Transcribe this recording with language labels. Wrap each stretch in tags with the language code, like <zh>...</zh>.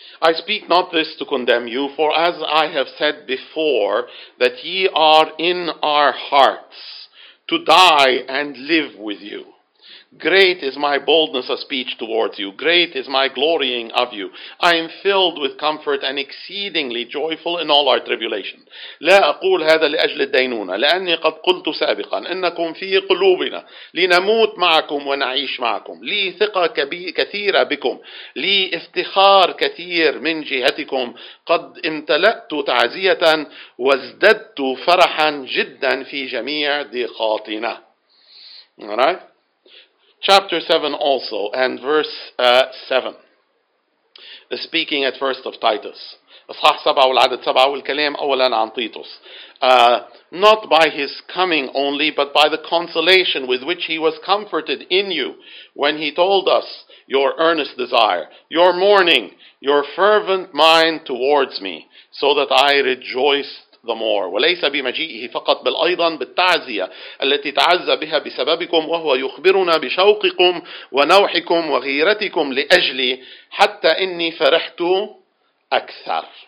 <en>I speak not this to condemn you, for as I have said before, that ye are in our hearts to die and live with you. Great is my boldness of speech towards you. Great is my glorying of you. I am filled with comfort and exceedingly joyful in all our tribulation.</en> <ar>لا أقول هذا لأجل الدينونة لأني قد قلت سابقا إنكم في قلوبنا لنموت معكم ونعيش معكم. لي ثقة كثيرة بكم. لي افتخار كثير من جهتكم. قد امتلأت تعزية وازددت فرحا جدا في جميع ضيقاتنا.</ar> <en>Alright. Chapter 7 also, and verse 7, speaking at first of Titus.</en> <ar>أصحاح 7 والعدد 7 والكلام أولا عن تيتوس.</ar> <en>Not by his coming only, but by the consolation with which he was comforted in you when he told us your earnest desire, your mourning, your fervent mind towards me, so that I rejoice the more.</en> <ar>وليس بمجيئه فقط بل أيضا بالتعزية التي تعزى بها بسببكم وهو يخبرنا بشوقكم ونوحكم وغيرتكم لأجلي حتى إني فرحت أكثر.</ar>